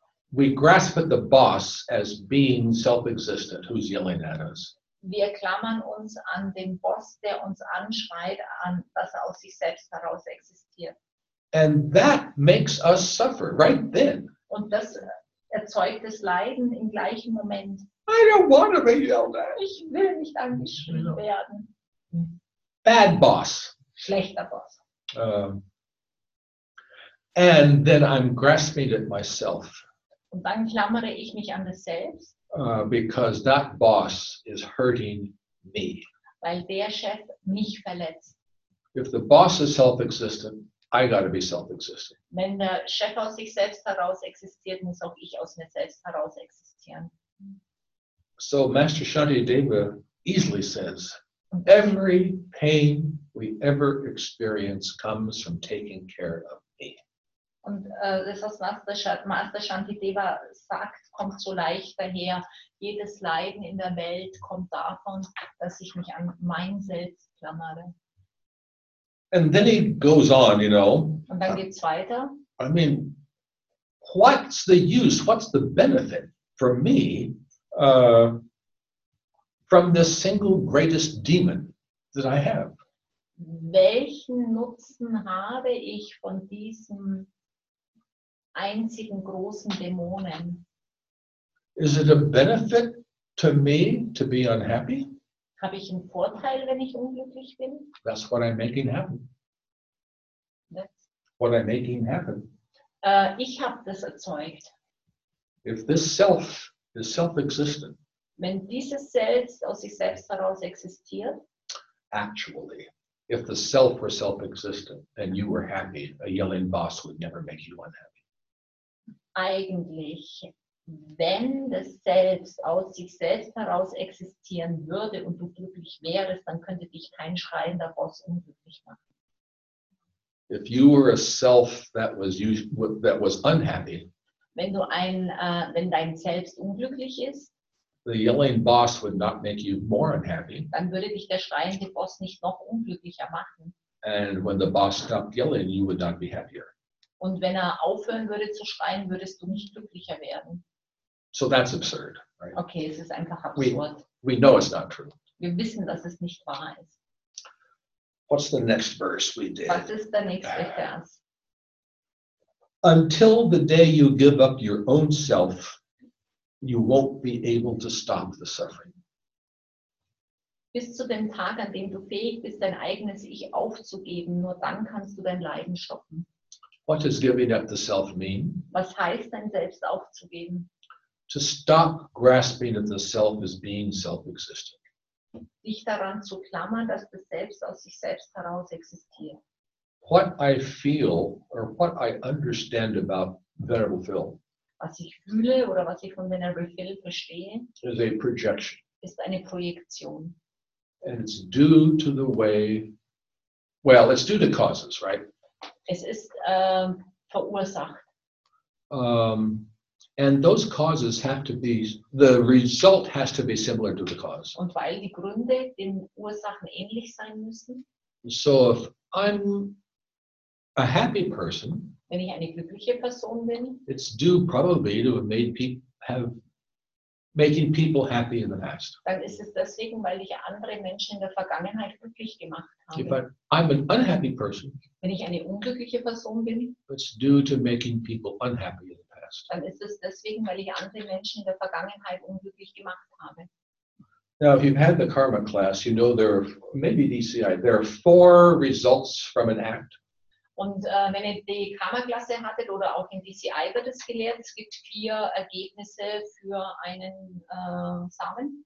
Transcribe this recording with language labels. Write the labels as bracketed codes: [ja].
[en] We grasp at the boss as being self-existent, who's yelling at us. [de] Wir klammern uns an den Boss, der uns anschreit, an dass er aus sich selbst heraus existiert. [en] And that makes us suffer right then. [de] Und das erzeugt das Leiden im gleichen Moment. [en] I don't want to be yelled at. [de] Ich will nicht angeschrien werden. [en] Bad boss. [de] Schlechter Boss. [en] And then I'm grasping at myself. [de] Und dann klammere ich mich an das Selbst. [en] Because that boss is hurting me. [de] Weil der Chef mich verletzt. [en] If the boss is self-existent, I got to be self-existent. [de] Wenn der Chef aus sich selbst heraus existiert, muss auch ich aus mir selbst heraus existieren. [en] So Master Shantideva easily says, every pain we ever experience comes from taking care of me. [de] Und das, was Master Shantideva sagt, kommt so leicht daher. Jedes Leiden in der Welt kommt davon, dass ich mich an mein Selbst klammere. [en] And then he goes on, you know. [de] Und dann geht's weiter. [en] I mean, what's the use, what's the benefit for me from this single greatest demon that I have? [de] Welchen Nutzen habe ich von diesem einzigen großen Dämonen? [en] Is it a benefit to me to be unhappy? [de] Habe ich einen Vorteil, wenn ich unglücklich bin? [en] That's what I'm making happen. What I'm making happen. [de] Ich habe das erzeugt. [en] If this self is self-existent, [de] wenn dieses Selbst aus sich selbst heraus existiert, [en] actually, if the self were self-existent and you were happy, a yelling boss would never make you unhappy. [de] Eigentlich, wenn das Selbst aus sich selbst heraus existieren würde und du glücklich wärst, dann könnte dich kein schreiender Boss unglücklich machen. [en] If you were a self that was unhappy, [de] wenn dein Selbst unglücklich ist, [en] the yelling boss would not make you more unhappy. [de] Dann würde dich der schreiende Boss nicht noch unglücklicher machen. [en] And when the boss stopped yelling, you would not be happier. [de] Und wenn er aufhören würde zu schreien, würdest du nicht glücklicher werden. [en] So that's absurd, right? [de] Okay, es ist einfach absurd. [en] We know it's not true. [de] Wir wissen, dass es nicht wahr ist. [en] What's the next verse we did? [de] Was ist der nächste Vers? [en] Until the day you give up your own self, you won't be able to stop the suffering. [de] Bis zu dem Tag, an dem du fähig bist, dein eigenes Ich aufzugeben, nur dann kannst du dein Leiden stoppen. [en] What does giving up the self mean? [de] Was heißt, dein Selbst aufzugeben? [en] To stop grasping at the self as being self-existent. [de] Dich daran zu klammern, dass das Selbst aus sich selbst heraus existiert. [en] What I feel or what I understand about Venerable Phil, [de] was ich fühle oder was ich von Venerable Phil verstehe, [en] is a projection. [de] Ist eine Projektion. [en] And it's due to the way, well, it's due to causes, right? [de] Es ist verursacht. [en] And those causes have to be, the result has to be similar to the cause. [de] Und weil die Gründe den Ursachen ähnlich sein müssen. [en] So if I'm a happy person, [de] wenn ich eine glückliche Person bin, [en] it's due probably to making people happy in the past. [de] Dann ist es deswegen, weil ich andere Menschen in der Vergangenheit glücklich gemacht habe. [en] If I'm an unhappy person, [de] wenn ich eine unglückliche Person bin, [en] it's due to making people unhappy in the past. [de] Dann ist es deswegen, weil ich andere Menschen in der Vergangenheit unglücklich gemacht habe. [en] Now, if you've had the karma class, you know there are, maybe DCI, there are four results from an act. [de] Und wenn ihr die Karma-Klasse hattet oder auch in DCI wird es gelehrt, es gibt vier Ergebnisse für einen Samen.